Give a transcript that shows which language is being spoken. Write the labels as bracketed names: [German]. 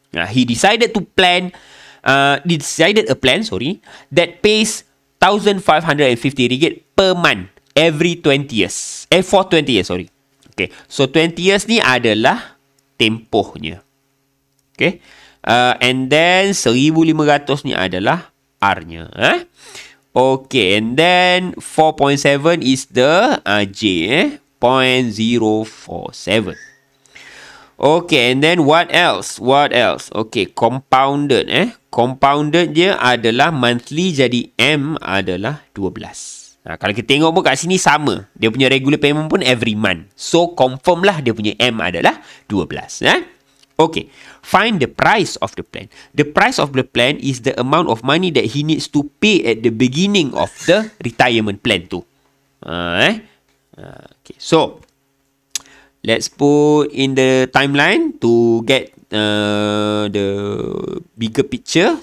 [English] He decided to plan... decided a plan that pays 1,550 ringgit per month every 20 years. For 20 years. Okay, so 20 years [Malay] ni adalah tempohnya. [English] Okay. And then [Malay] 1,500 ni adalah R-nya. [English] Okay, and then 4.7 is the J, 0.047. Okay, and then what else? Okay, compounded. [Malay] Compounded dia adalah monthly, jadi M adalah 12. Nah, kalau kita tengok pun kat sini sama. Dia punya [English] regular payment pun every month. So, confirm [Malay] lah dia punya M adalah 12. [English] Okay, find the price of the plan. The price of the plan is the amount of money that he needs to pay at the beginning of the retirement plan tu. Okay, so... let's put in the timeline to get the bigger picture.